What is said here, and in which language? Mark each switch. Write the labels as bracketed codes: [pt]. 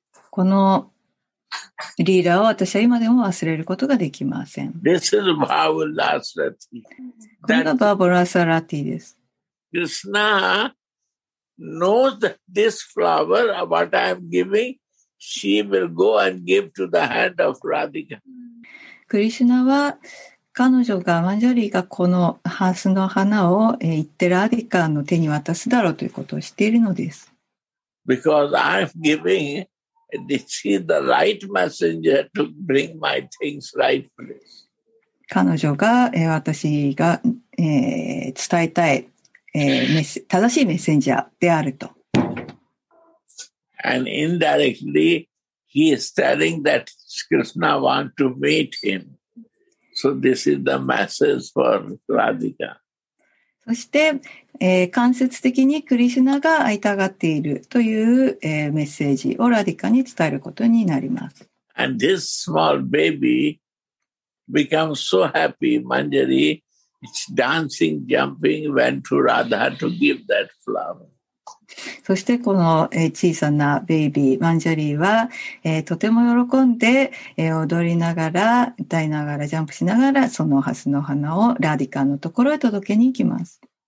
[ja] このリーダーを私は今でも忘れることができません。 [en] This is Bhavarasa Rati. [ja] これがバーバラサラティです。 [en] Krishna knows that this flower, what I am giving, she will go and give to the hand of Radhika. [ja] クリシュナは彼女がマンジャリーがこのハスの花を言ってラディカの手に渡すだろうということを知っているのです。 [en] Because I am giving it. She is the right messenger to bring my things right place. [ja] 彼女が、私が、伝えたい、正しいメッセンジャーであると。 [en] And indirectly, he is telling that Krishna wants to meet him. So this is the message for Radhika. [ja] そして、間接的にクリシュナが会いたがっているという、メッセージをラディカに伝えることになります。 [en] And this small baby becomes so happy, Manjari, it's dancing, jumping, went to Radha to give that flower. [ja] そしてこの小さなベイビーマンジャリーは、とても喜んで、踊りながら歌いながらジャンプしながらそのハスの花をラディカのところへ届けに行きます。